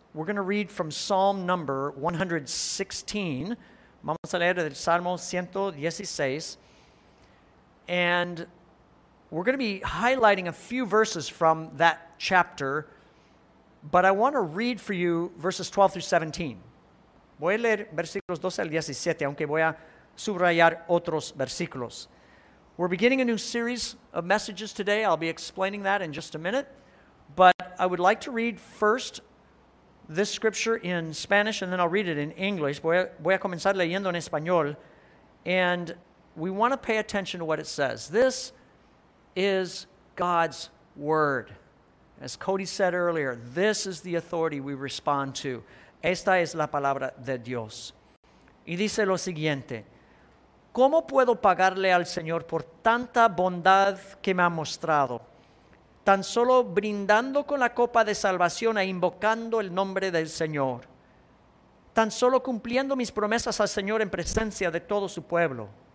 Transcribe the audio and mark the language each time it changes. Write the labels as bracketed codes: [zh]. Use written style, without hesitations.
[en] We're going to read from Psalm number 116. [es] Vamos a leer del Salmo 116. [en] And we're going to be highlighting a few verses from that chapter, but I want to read for you verses 12 through 17. [es] Voy a leer versículos 12 al 17, aunque voy a subrayar otros versículos. [en] We're beginning a new series of messages today. I'll be explaining that in just a minute. But I would like to read first this scripture in Spanish, and then I'll read it in English. [es] Voy a comenzar leyendo en español. [en] And we want to pay attention to what it says. This is God's word. As Cody said earlier, this is the authority we respond to. [es] Esta es la palabra de Dios. Y dice lo siguiente. ¿Cómo puedo pagarle al Señor por tanta bondad que me ha mostrado? Tan solo brindando con la copa de salvación e invocando el nombre del Señor. Tan solo cumpliendo mis promesas al Señor en presencia de todo su pueblo.